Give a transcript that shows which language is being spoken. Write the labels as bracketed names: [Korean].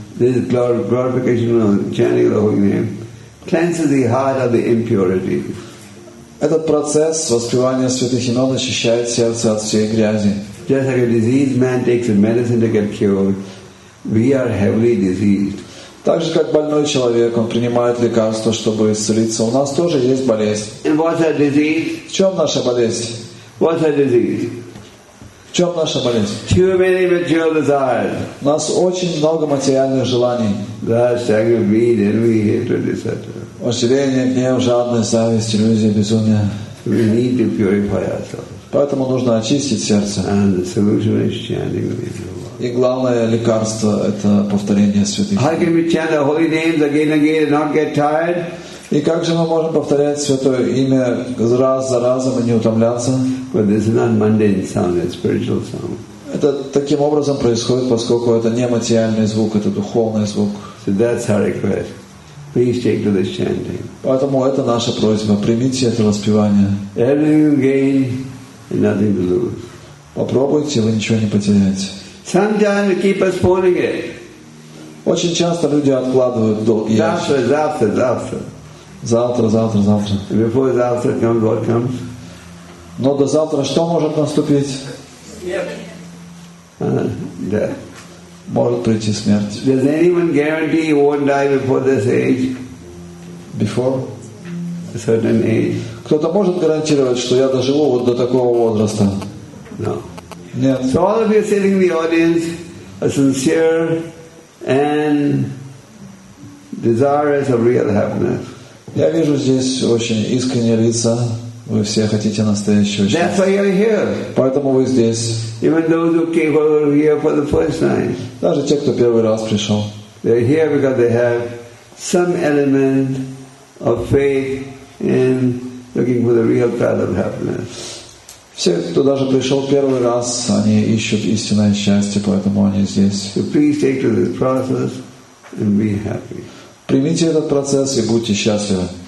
[English] This glorification of chanting of the holy name cleanses the heart of the impurities. [Russian] Этот процесс воспевания святых имен очищает сердце от всей грязи. [English] Just like a diseased man takes a medicine to get cured, we are heavily diseased. [Russian] Так же, как больной человек, он принимает лекарства, чтобы исцелиться. У нас тоже есть болезнь. [English] And what's our disease? [Russian] В чем наша болезнь? [English] What's our disease? [Russian] В чем наша болезнь? [English] Too many material desires. [Russian] У нас очень много материальных желаний. [English] Lust, anger, greed, envy, hatred, etc. [Russian] Вожделение, гнев, жадность, зависть, иллюзия, безумие. [English] We need to purify ourselves. [Russian] Поэтому нужно очистить сердце. [English] And the solution is chanting the name. [Russian] И главное лекарство — это повторение святых. [English] How can we chant the holy names again and again and not get tired? [Russian] И как же мы можем повторять святое имя раз за разом и не утомляться? [English] But this is not mundane sound, it's spiritual sound. [Russian] Это таким образом происходит, поскольку это не материальный звук, это духовный звук. [English] So that's our request. Please take to this chanting. [Russian] Поэтому это наша просьба. Примите это воспевание. [English] Everything you gain and nothing to lose. [Russian] Попробуйте, вы ничего не потеряете. [English] Sometimes we keep postponing it. [Russian] Очень часто люди откладывают долги. Завтра, завтра, завтра. Завтра, завтра, завтра. [English] And before [Russian] завтра [English] comes, what comes? [Russian] Но до завтра что может наступить? [English] Death. [Russian] Может прийти смерть. [English] Does anyone guarantee you won't die before this age? Before a certain age. [Russian] Кто-то может гарантировать, что я доживу вот до такого возраста? [English] No. [Russian] Нет. [English] So all of you sitting in the audience are sincere and desirous of real happiness. [Russian] Я вижу здесь очень искренние лица. Вы все хотите настоящего счастья. [English] That's why you're here. [Russian] Поэтому вы здесь. [English] Even those who came who are here for the first time. [Russian] Даже те, кто первый раз пришел. [English] They're here because they have some element of faith in looking for the real path of happiness. [Russian] Все, кто даже пришел первый раз, они ищут истинное счастье, поэтому они здесь. [English] So please take to this process and be happy. [Russian] Примите этот процесс и будьте счастливы.